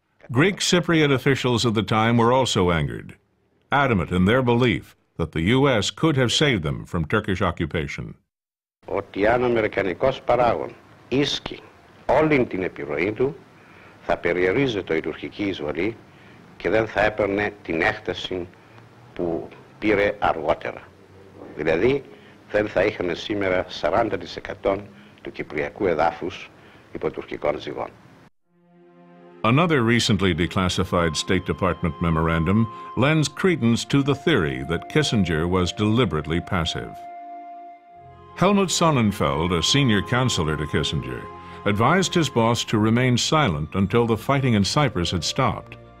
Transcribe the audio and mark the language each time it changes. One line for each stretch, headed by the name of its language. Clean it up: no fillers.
English: Greek Cypriot officials at the time were also angered, adamant in their belief that the U.S. could have saved them from Turkish occupation.
Greek: Ότι αν ο Αμερικανικός παράγων ίσχυε όλη την επιρροή του, θα περιορίζεται η τουρκική εισβολή και δεν θα έπαιρνε την έκταση που πήρε αργότερα. Δηλαδή, δεν θα είχαμε σήμερα 40% του κυπριακού εδάφους υπό τουρκικών ζυγών.
English: Another recently declassified State Department memorandum lends credence to the theory that Kissinger was deliberately passive. Helmut Sonnenfeld, a senior counselor to Kissinger, advised his boss to remain silent until the fighting in Cyprus had stopped.